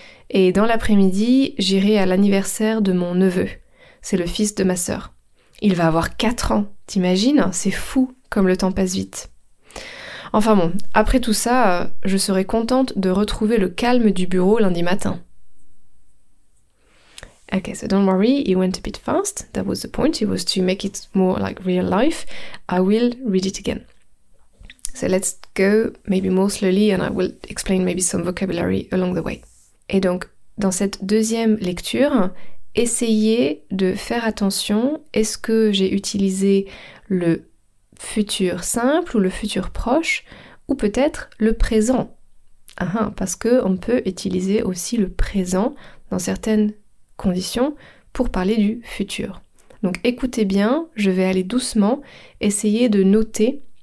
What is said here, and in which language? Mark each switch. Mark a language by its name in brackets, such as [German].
[French] Et dans l'après-midi, j'irai à l'anniversaire de mon neveu. C'est le fils de ma sœur. Il va avoir 4 ans, t'imagines? C'est fou comme le temps passe vite. Enfin bon, après tout ça, je serai contente de retrouver le calme du bureau lundi matin. [English] Okay, so don't worry, it went a bit fast. That was the point, it was to make it more like real life. I will read it again. So let's go maybe more slowly and I will explain maybe some vocabulary along the way. [French] Et donc, dans cette deuxième lecture, essayez de faire attention, est-ce que j'ai utilisé le futur simple ou le futur proche, ou peut-être le présent. Parce qu'on peut utiliser aussi le présent dans certaines conditions pour parler du futur. Donc écoutez bien, je vais aller doucement, essayez de noter